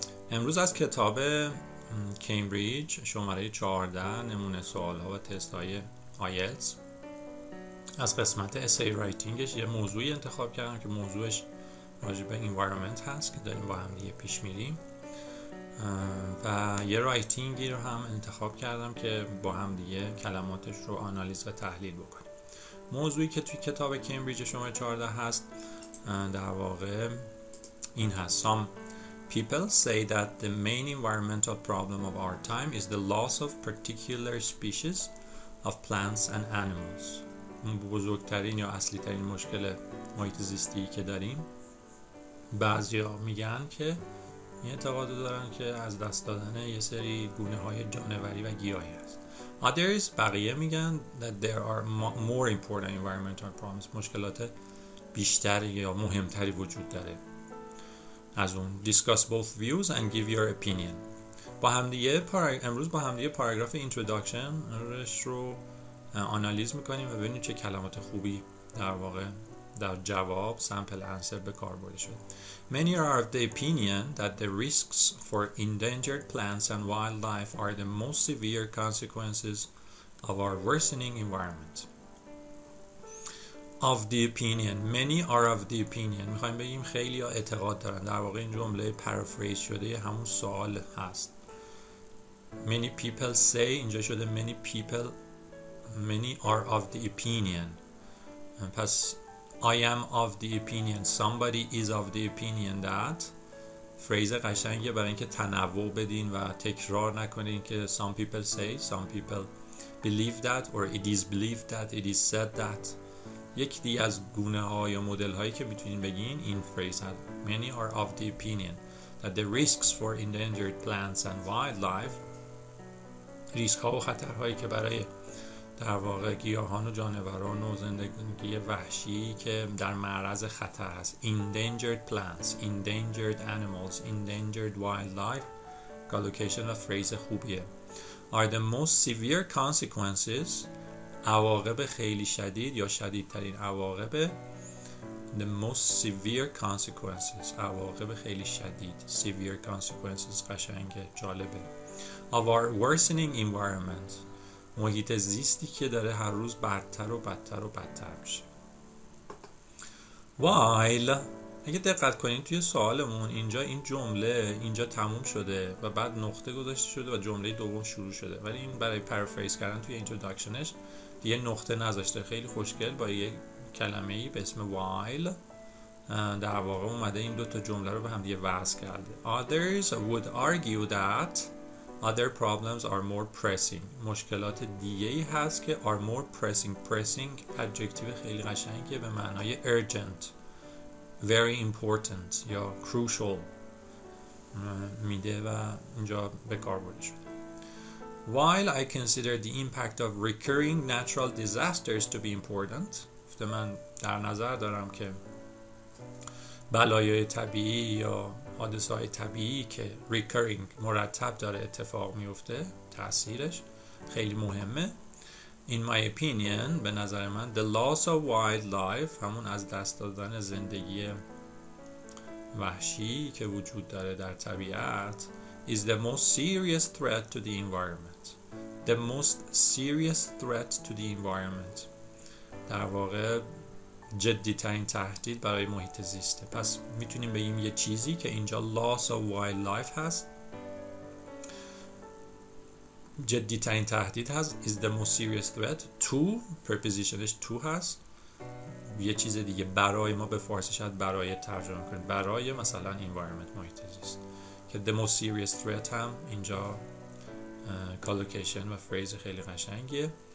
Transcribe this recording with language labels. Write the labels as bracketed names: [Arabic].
[Persian] امروز از کتاب کمبریج شماره 14 نمونه سوال‌ها و تست‌های IELTS از قسمت essay writingش یه موضوعی انتخاب کردم که موضوعش راجع به environment هست که داریم با هم دیگه پیش میریم و یه رایتینگی رو هم انتخاب کردم که با هم دیگه کلماتش رو آنالیز و تحلیل بکنم. موضوعی که توی کتاب کمبریج شماره 14 هست در واقع این هست: [English] Some people say that the main environmental problem of our time is the loss of particular species of plants and animals. [Persian] بزرگترین یا اصلی ترین مشکل محیط زیستی که داریم، بعضیا میگن که این اعتقاد دارن که از دست دادن یه سری گونه های جانوری و گیاهی هست. [English] Others [Persian] بقیه میگن [English] that there are more important environmental problems، [Persian] مشکلات بیشتر یا مهمتری وجود داره از اون. [English] Discuss both views and give your opinion. [Persian] با هم دیگه امروز با هم دیگه پاراگراف introduction رو آنالیز میکنیم و ببینیم چه کلمات خوبی در واقع در جواب [English] sample answer [Persian] به کار برده شد. [English] Many are of the opinion that the risks for endangered plants and wildlife are the most severe consequences of our worsening environment. Of the opinion, many are of the opinion. [Persian] میخوایم بگیم خیلی ها اعتقاد دارن. در واقع این جمله پرافریز شده همون سوال هست. [English] Many people say [Persian] اینجا شده [English] many people. Many are of the opinion. [Persian] پس [English] I am of the opinion, somebody is of the opinion that [Persian] فریز قشنگیه برای اینکه تنوع بدین و تکرار نکنین که [English] some people say, some people believe that or it is believed that, it is said that. [Persian] یکی دی از گونه ها یا مدل هایی که میتونین بگین این فریز هست: [English] Many are of the opinion that the risks for endangered plants and wildlife, [Persian] ریسک ها و خطرهایی که برای در واقع گیاهان و جانوران و زندگی وحشی که در معرض خطر هست. [English] Endangered plants, endangered animals, endangered wildlife. [Persian] Collocation و فریز خوبیه. [English] Are the most severe consequences. [Persian] عواقب خیلی شدید یا شدیدترین عواقب. [English] The most severe consequences. [Persian] عواقب خیلی شدید. [English] Severe consequences [Persian] قشنگه جالبه. [English] Of our worsening environment. [Persian] محیط زیستی که داره هر روز بدتر و بدتر و بدتر میشه. While اگه دقت کنین توی سوالمون اینجا این جمله اینجا تموم شده و بعد نقطه گذاشته شده و جمله دوم شروع شده، ولی این برای پرافریز کردن توی اینتروداکشنش دیگه نقطه نذاشته، خیلی خوشگل با یه کلمه‌ای به اسم while در واقع اومده این دوتا جمله رو به هم دیگه وصل کرده. [English] Others would argue that other problems are more pressing. [Persian] مشکلات دیگه‌ای هست که [English] are more pressing. Pressing adjective [Persian] خیلی قشنگیه به معنای [English] urgent, very important [Persian] یا [English] crucial [Persian] میده و اینجا به کار برده شده. [English] While I consider the impact of recurring natural disasters to be important. [Persian] گفته من در نظر دارم که بلایای طبیعی یا حادثه های طبیعی که recurring مرتب داره اتفاق میفته تأثیرش خیلی مهمه. [English] In my opinion [Persian] به نظر من [English] the loss of wildlife [Persian] همون از دست دادن زندگی وحشی که وجود داره در طبیعت [English] is the most serious threat to the environment. The most serious threat to the environment [Persian] در واقع جدی ترین تهدید برای محیط زیسته. پس میتونیم بگیم یه چیزی که اینجا [English] loss of wildlife [Persian] هست جدی ترین تهدید هست [English] is the most serious threat to، [Persian] پرپوزیشنش to هست، یه چیز دیگه برای، ما به فارسی شاید برای ترجمه کنیم برای مثلا environment محیط زیست، که [English] the most serious threat [Persian] هم اینجا collocation و فریز خیلی قشنگیه.